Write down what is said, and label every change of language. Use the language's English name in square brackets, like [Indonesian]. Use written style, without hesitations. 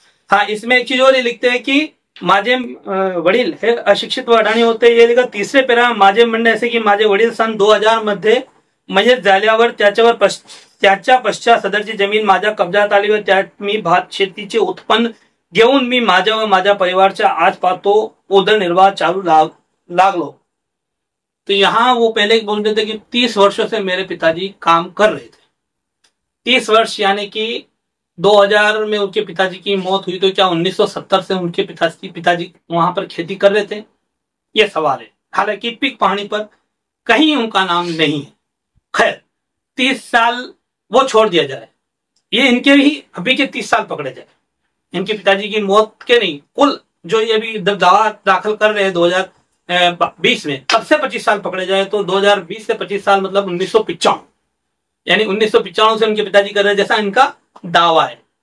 [Hindi] हाँ, इसमें एक चीज और लिखते हैं कि [Marathi] माझे वडील हे अशिक्षित व अडाणी होते. [Hindi] ये लिखा तीसरे पेरा [Marathi] माझे म्हणणे असे की माझे वडील सन 2000 मध्ये मयत झाल्यावर त्याच्यावर त्याच्या पश्चात सदरची जमीन माझ्या कब्जात आली व त्यात मी भात शेतीचे उत्पन्न घेऊन मी माझ्या व माझ्या परिवाराच्या आज पातो उदरनिर्वाह चालू लागलो. [Hindi] तो यहां वो पहले बोल रहे थे कि 30 वर्षों से मेरे पिताजी काम कर रहे थे. 30 वर्ष यानी कि 2000 में उनके पिताजी की मौत हुई तो क्या 1970 से उनके पिताजी वहां पर खेती कर रहे थे? ये सवाल है. हालांकि पिक पहाड़ी पर कहीं उनका नाम नहीं है. खैर 30 साल वो छोड़ दिया जाए, ये इनके ही अभी के 30 साल पकड़े जाए, इनके पिताजी की मौत के नहीं, कुल जो ये अभी दावा दाखिल कर रहे हैं 2020 में तब से 25 साल पकड़े जाए तो 2020 से 25 साल मतलब 1995 यानी 1995 से उनके पिताजी कर रहे हैं जैसा इनका दावा है.